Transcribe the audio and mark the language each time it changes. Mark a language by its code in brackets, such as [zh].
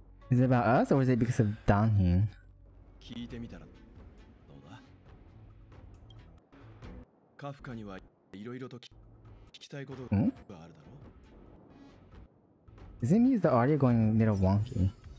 [en] Is it about us or is it because of Danhin? [ja] 聞いてみたらどうだ。カフカにはいろいろと聞きたいことがあるだろう。 [en] Does it mean the audio going a little wonky?